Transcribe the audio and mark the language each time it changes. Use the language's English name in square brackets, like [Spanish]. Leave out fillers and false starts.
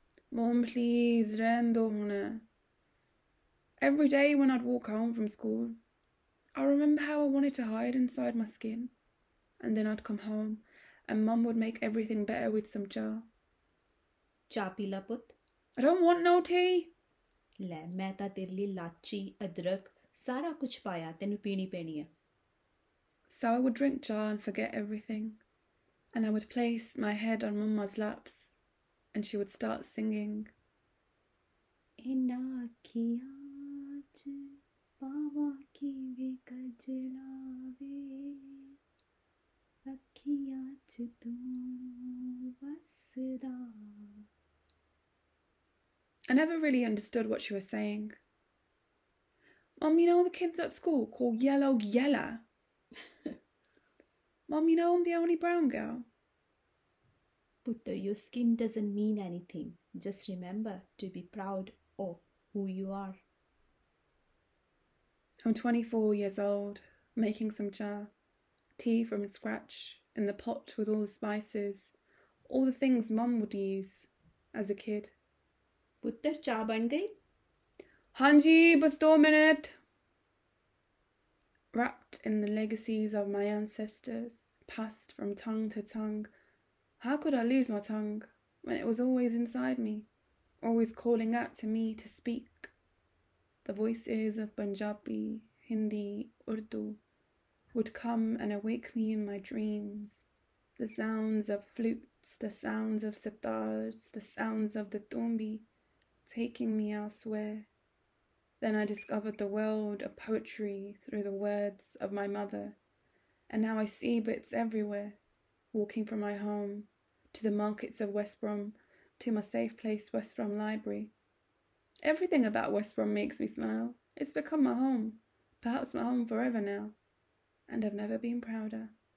[English] Mom, please, [Hindi] rehne do mujhe. [English] Every day when I'd walk home from school, I remember how I wanted to hide inside my skin. And then I'd come home and Mum would make everything better with some jar. [Punjabi] ਚਾਹ ਪੀ ਲਾ ਪੁੱਤ [English] I don't want no tea [Punjabi] ਲੈ ਮੈਂ ਤਾਂ ਤੇਰੇ ਲਈ ਲਾਚੀ ਅਦਰਕ ਸਾਰਾ ਕੁਛ ਪਾਇਆ ਤੈਨੂੰ ਪੀਣੀ ਪੈਣੀ ਆ [English] so I would drink chai and forget everything and I would place my head on mumma's laps and she would start singing [Punjabi] ਇਹਨਾਂ ਅੱਖੀਆਂ ਚ ਪਾਵਾਂ ਕਿਵੇਂ ਕਜਲਾਵੇ ਅੱਖੀਆਂ ਚ ਤੂੰ ਵਸਦਾ [English] I never really understood what she was saying. Mom, you know the kids at school call yellow yella. Mom, you know I'm the only brown girl. Putter, your skin doesn't mean anything. Just remember to be proud of who you are. I'm 24 years old, making some cha, tea from scratch, in the pot with all the spices, all the things Mom would use as a kid. [Punjabi] ਪੁੱਤਰ ਚਾਹ ਬਣ ਗਈ ਹਾਂਜੀ ਬਸ 2 minute [English] Wrapped in the legacies of my ancestors passed from tongue to tongue how could I lose my tongue when it was always inside me always calling out to me to speak the voices of Punjabi Hindi Urdu would come and awake me in my dreams the sounds of flutes the sounds of sitars the sounds of the tumbi taking me elsewhere. Then I discovered the world of poetry through the words of my mother, and now I see bits everywhere, walking from my home to the markets of West Brom to my safe place West Brom Library. Everything about West Brom makes me smile. It's become my home, perhaps my home forever now, and I've never been prouder.